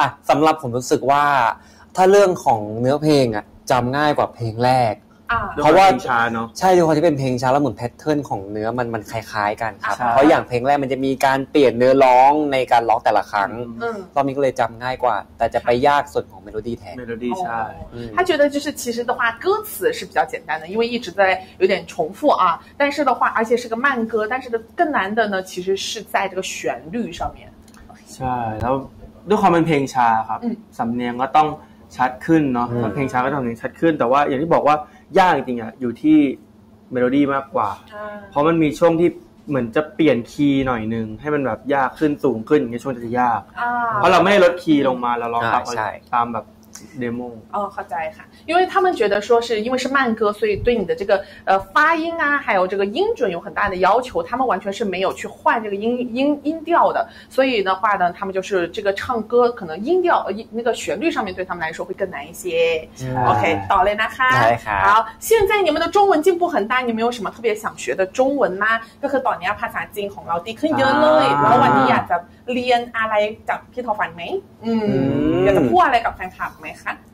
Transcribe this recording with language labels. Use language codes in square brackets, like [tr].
[th] สำหรับผมรู้สึกว่าถ้าเรื่องของเนื้อเพลงอ่ะจำง่ายกว่าเพลงแรก เพราะว่าเพลงช้าเน าะใช่ด้วยความที่เป็นเพลงช้าแล้วเหมือนแพทเทิร์นของเนื้อมันคล้ายๆกันครับเพราะอย่างเพลงแรกมันจะมีการเปลี่ยนเนื้อร้องในการร้องแต่ละครั้งตอนนี้ก็เลยจำง่ายกว่าแต่จะไปยากส่วนของเมโลดี้แทน เมโลดี้ใช่ [zh] 他觉得就是其实的话歌词是比较简单的因为一直在有点重复啊但是的话而且是个慢歌但是的更难的呢其实是在这个旋律上面 [th] ใช่แล้วด้วยความเป็นเพลงช้าครับสำเนียงก็ต้องชัดขึ้นเนาะเพลงช้าก็ต้องสำเนียงชัดขึ้นแต่ว่าอย่างที่บอกว่ายากจริงอ่ะอยู่ที่เมโลดี้มากกว่ า เพราะมันมีช่วงที่เหมือนจะเปลี่ยนคีย์หน่อยนึงให้มันแบบยากขึ้นสูงขึ้นอย่างเงี้ยช่วงจะยากเพราะเราไม่ได้ลดคีย์ลงมาเราลองตามแบบเดโม เข้าใจค่ะ [zh] 因为他们觉得说是因为是慢歌所以对你的这个发音啊还有这个音准有很大的要求他们完全是没有去换这个音调的所以的话呢他们就是这个唱歌可能音调那个旋律上面对他们来说会更难一些 OK 到了呢哈好现在你们的中文进步很大你们有什么特别想学的中文吗这是当年帕萨金红老弟可以了你老板你要在 [th] เรียนอะไรจากพี่ทอฟันไหมอยากจะพูดอะไรกับแฟนคลับไหมคะ